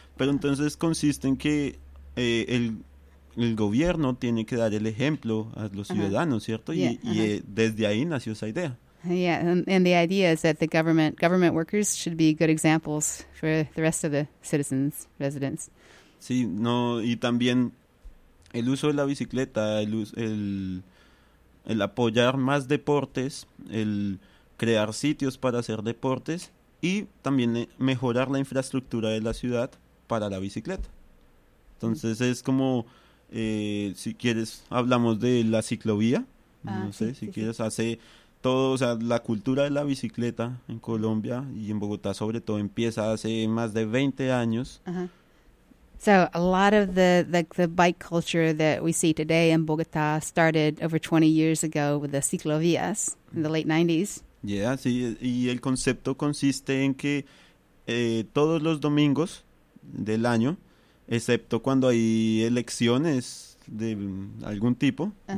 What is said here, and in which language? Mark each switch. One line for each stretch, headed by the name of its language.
Spanish: Pero entonces consiste en que el gobierno tiene que dar el ejemplo a los ciudadanos, ¿cierto? Y desde ahí nació esa idea.
English: Yeah, and the idea is that the government workers should be good examples for the rest of the citizens, residents.
Spanish: Sí, no, y también el uso de la bicicleta, el apoyar más deportes, el crear sitios para hacer deportes, y también mejorar la infraestructura de la ciudad para la bicicleta. Entonces es como, si quieres, hablamos de la ciclovía. Hace todo, o sea, la cultura de la bicicleta en Colombia y en Bogotá sobre todo empieza hace más de 20 años.
English: So a lot of the bike culture that we see today in Bogotá started over 20 years ago with the ciclovías in the late 90s.
Spanish: Yeah, sí, y el concepto consiste en que todos los domingos del año, excepto cuando hay elecciones de algún tipo,